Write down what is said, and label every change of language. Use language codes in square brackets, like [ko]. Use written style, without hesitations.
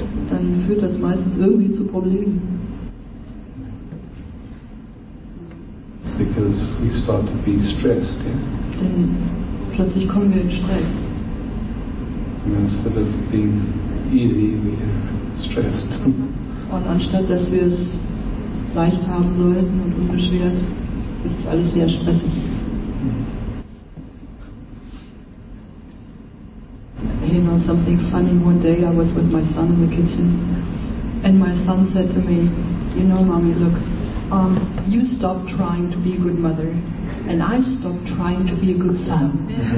[de] Dann führt das meistens irgendwie zu Problemen. [en] Because we start to be stressed, yeah? [de] Denn plötzlich kommen wir in Stress. [en] And instead of being easy, we are stressed. [de] Und anstatt dass wir es leicht haben sollten und unbeschwert, ist alles sehr stressig. [en] You know, something funny, one day I was with my son in the kitchen and my son said to me, you know, mommy, look, you stop trying to be a good mother and I stop trying to be a good son.